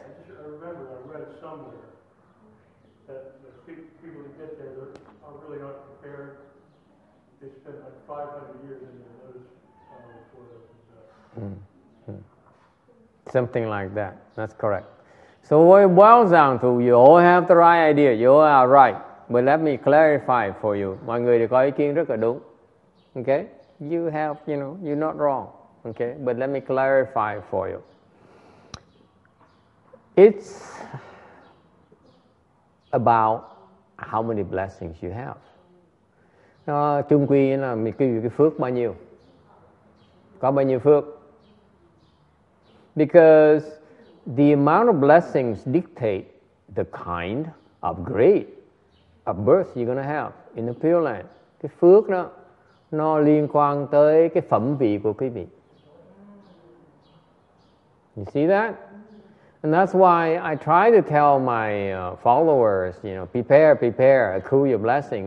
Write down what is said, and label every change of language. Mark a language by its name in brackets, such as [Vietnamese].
[English] I remember I read somewhere that the people who get there are really not prepared. They spent like 500 years in the lotus before they were something like that. That's correct. So what it boils down to, you all have the right idea. You all are right. But let me clarify for you. [Vietnamese] Mọi người có ý kiến rất là đúng. [English] Okay? You have, you're not wrong. Okay? But let me clarify for you. It's about how many blessings you have. [Vietnamese] Chung quy là mình cái phước bao nhiêu. Có bao nhiêu phước? [English] Because the amount of blessings dictate the kind of grade of birth you're going to have in the Pure Land. [Vietnamese] Cái phước đó, nó liên quan tới cái phẩm vị của quý vị. [English] You see that? And that's why I try to tell my followers, prepare, accrue your blessing.